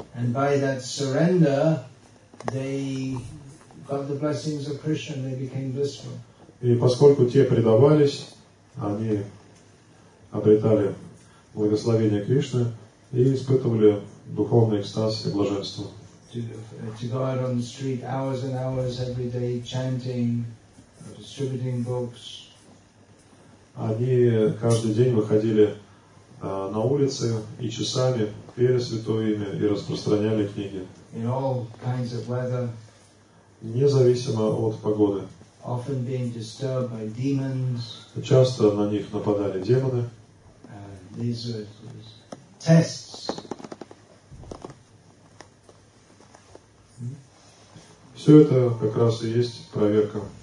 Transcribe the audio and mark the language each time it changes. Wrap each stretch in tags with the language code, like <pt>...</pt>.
<en>And by that surrender, they got the blessings of Krishna and they became blissful.</en> <ru>И поскольку те предавались, они обретали благословение Кришны и испытывали духовный экстаз и блаженство.</ru> <en>To go out on the street hours and hours every day chanting, distributing books.</en> <ru>Они каждый день выходили на улицы и часами пели святое имя и распространяли книги.</ru> <en>In all kinds of weather.</en> <ru>Независимо от погоды.</ru> <en>Often being disturbed by demons.</en> <ru>Часто на них нападали демоны.</ru> <en>These were tests.</en> <ru>Все это как раз и есть проверка.</ru>